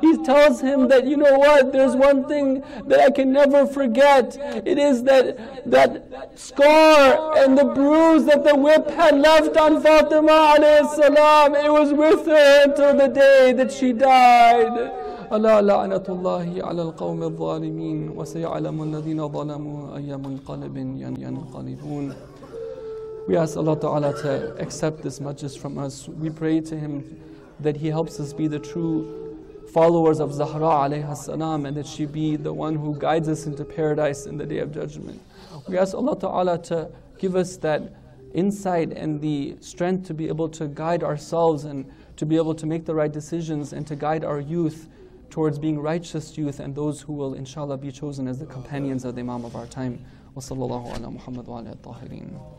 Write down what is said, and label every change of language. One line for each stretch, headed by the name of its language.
English: He tells him that, you know what, there's one thing that I can never forget. It is that scar and the bruise that the whip had left on Fatima alayhi salam. It was with her until the day that she died.
Arabic: ألا لعنة الله على القوم الظالمين وسيعلم الذين ظلموا أي منقلب ينقلبون.
English: We ask Allah Ta'ala to accept this majlis from us. We pray to Him that He helps us be the true followers of Zahra alayha salam, and that she be the one who guides us into paradise in the day of judgment. We ask Allah Ta'ala to give us that insight and the strength to be able to guide ourselves and to be able to make the right decisions and to guide our youth towards being righteous youth and those who will inshallah be chosen as the companions of the Imam of our time.
Arabic: وَصَلَّى اللَّهُ عَلَى مُحَمَّدٍ وَعَلَى الطَّاهِرِينَ